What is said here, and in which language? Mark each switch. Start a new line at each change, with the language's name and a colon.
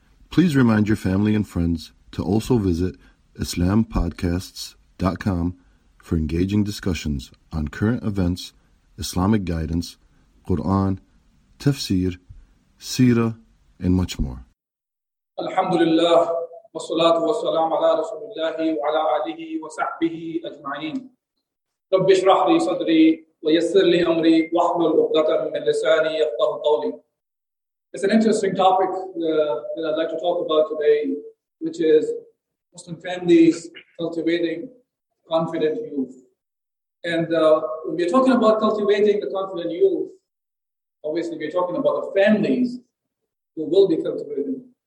English: Please remind your family and friends to also visit IslamPodcasts.com for engaging discussions on current events, Islamic guidance, Quran, tafsir, seerah, and much more. Alhamdulillah.
Arabic: والصلاة والسلام على رسول الله وعلى آله وصحبه أجمعين رب اشرح لي صدري ويسر لي أمري واحلل عقدة من لساني يفقهوا قولي.
English: It's an interesting topic that I'd like to talk about today, which is Muslim families cultivating confident youth. And when we're talking about cultivating the confident youth, obviously we're talking about the families who will be cultivating.